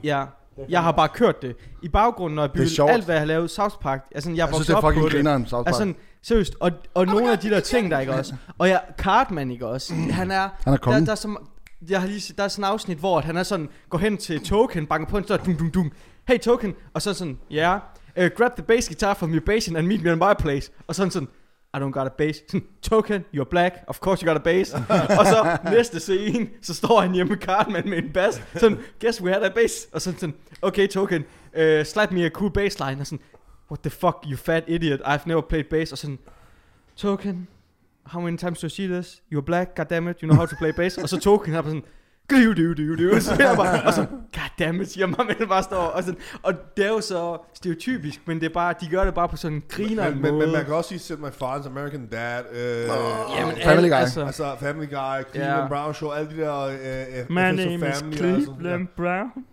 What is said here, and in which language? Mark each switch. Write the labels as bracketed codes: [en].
[da] Ja. Jeg har bare kørt det. I baggrunden, når jeg bygget alt, hvad jeg har lavet, South Park. Altså, jeg synes, det er fucking grineren, South Park. Altså, seriøst, og nogle af de der ting, der ikke også. Og ja, Cartman, ikke også. Han er kommet. Der er sådan en afsnit, hvor han er sådan, går hen til Token, banker på en sådan, dum, dum, dum. Hey, Token. Og så sådan, ja. [en] Yeah, grab the bass guitar from your bass and meet me in my place. Og sådan, I don't got a bass. Token, you're black. Of course you got a bass. [da] Og så næste scene, så står han hjemme med Cartman med en bass. [en] Sådan, guess we had a bass. [da] Og sådan, [en] okay, Token. Slap me a cool bassline. [da] Og sådan, [en] what the fuck, you fat idiot, I've never played bass. [da] Og sådan, [en] Token, how many times do you see this? You're black, goddammit, you know how to play bass. [da] Og så Token, han er sådan, gliu-diu-diu-diu. Og så, goddammit, siger mig, men bare står. Og sådan, og det er jo så stereotypisk, men det er bare, de gør det bare på sådan en grineren måde. Men man kan også sige, set my father's American Dad. [en] Family Guy. [da] Altså, Family Guy, Cleveland Brown Show, alle de der. [en] My name is Cleveland Brown.